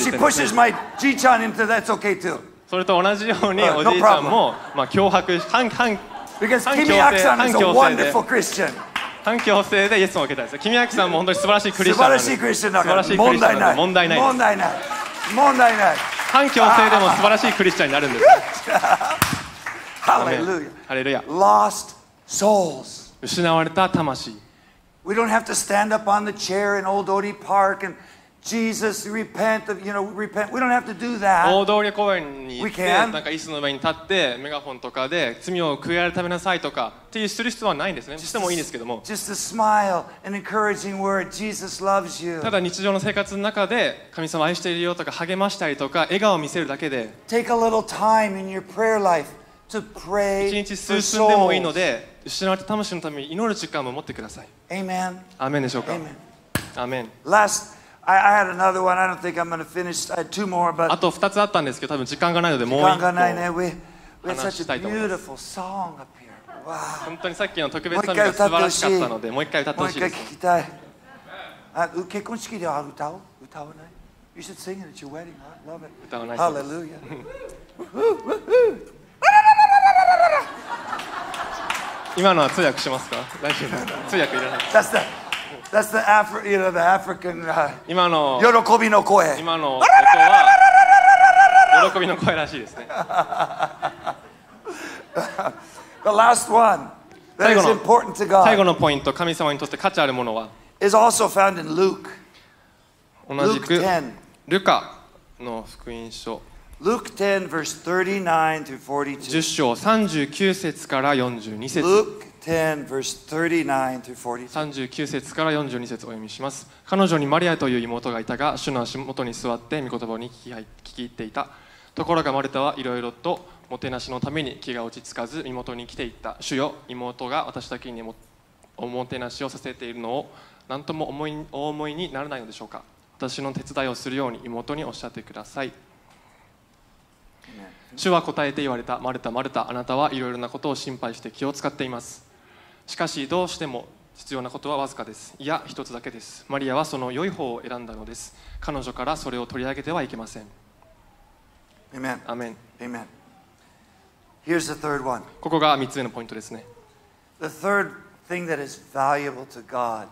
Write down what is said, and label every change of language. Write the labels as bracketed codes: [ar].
[ja] 言ってんですね [en] If she pushes my G-chan into that's okay too. [ja] それと同じようにおじいちゃんも、まあ、脅迫し反強制でイエスを受けたんですよ。キミアキさんも本当に素晴らしいクリスチャンなんです。素晴らしいクリスチャンなんです。問題ない。問題ない。問題ない。反強制でも素晴らしいクリスチャンになるんです。ハレルヤ。ハレルヤ。 [en] Lost souls. [ja] 失われた魂。 [en] We don't have to stand up on the chair in Old Odie Park andJesus, repent of, you know, repent. We don't have to do that. [ja] 大通り公園に行って、なんか椅子の上に立って、メガホンとかで、罪を悔い改めなさいとか、っていうする必要はないんですね。してもいいんですけども。 [en] Just a smile, an encouraging word. Jesus loves you. [ja] ただ日常の生活の中で、神様愛しているよとか、励ましたりとか、笑顔を見せるだけで。 [en] Take a little time in your prayer life to pray for souls. [ja] 一日数分でもいいので、失われた魂のために祈る時間も持ってください。 [en] Amen. [ja] アーメンでしょうか。Amen. アーメン。 [en] Last. I had another one. I don't think I'm going to finish. I had two more, but. [ja] あと二つあったんですけど、多分時間がないのでもう一個。時間がないね。 [en] We had such a beautiful song up here. Wow. [ja] 本当にさっきの特別賛美が素晴らしかったので、もう一回歌ってほしいです。もう一回聞きたい。結婚式では歌う？歌わない？ [en] You should sing it at your wedding. I love it. [ja] 歌わない。 [en] Hallelujah. [ja] 今のは通訳しますか？大丈夫。通訳いらない。 [en] That's that. That's the you know, the African, [ja] 今の喜びの声今の音は喜びの声らしいですね [en] The last one that is important to God [ja] 最後のポイント神様にとって価値あるものは [en] is also found in Luke [ja] 同じく [en] Luke [ja] 10. ルカの福音書 [en] Luke 10 verse 39 through 42 [ja] 10章39節から42節 [en] Luke 10 verse 39 through 42. [ja] 39節から42節お読みします。彼女にマリアという妹がいたが、主の足元に座って御言葉に聞き入っていた。ところがマルタはいろいろともてなしのために気が落ち着かず身元に来ていった。主よ、妹が私だけに おもてなしをさせているのを何とも思いにならないのでしょうか。私の手伝いをするように妹におっしゃってください。主は答えて言われた、マルタ、マルタ、あなたはいろいろなことを心配して気を使っています。しかしどうしても必要なことはわずかです。いや、一つだけです。マリアはその良い方を選んだのです。彼女からそれを取り上げてはいけません。 [en] Amen. Amen. Amen. Here's the third one. [ja] ここが3つ目のポイントですね。 [en] The third thing that is valuable to God.